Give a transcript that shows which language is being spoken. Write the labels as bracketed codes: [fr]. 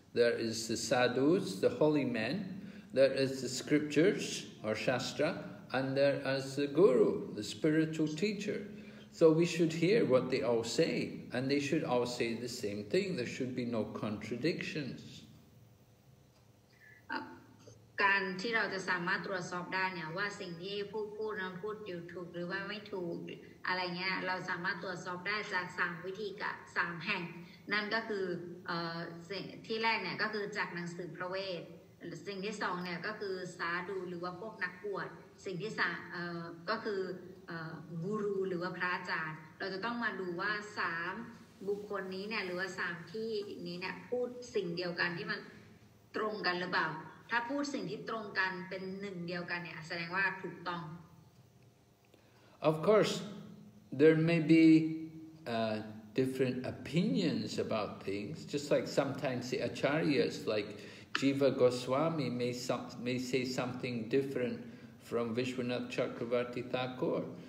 [en] There is the sadhus, the holy men, there is the scriptures or shastra, and there is the guru, the spiritual teacher. So we should hear what they all say, and they should all say the same thing. There should be no contradictions. [th] การที่เราจะสามารถตรวจสอบได้เนี่ยว่าสิ่งที่ผู้พูดนั้นพูดอยู่ถูกหรือว่าไม่ถูกอะไรเงี้ยเราสามารถตรวจสอบได้จาก3วิธีกับ3แห่งนั่นก็คือ ที่แรกเนี่ยก็คือจากหนังสือพระเวทสิ่งที่2เนี่ยก็คือสาดูหรือว่าพวกนักบวชสิ่งที่3ก็คือกูรูหรือว่าพระอาจารย์เราจะต้องมาดูว่า3บุคคลนี้เนี่ยหรือว่า3ที่นี้เนี่ยพูดสิ่งเดียวกันที่มันตรงกันหรือเปล่าถ้าพูดสิ่งที่ตรงกันเป็นหนึ่งเดียวกันเนี่ยแสดงว่าถูกต้อง [en] Of course there may be different opinions about things, just like sometimes the acharyas like Jiva Goswami may say something different from Vishwanath Chakravarti Thakur.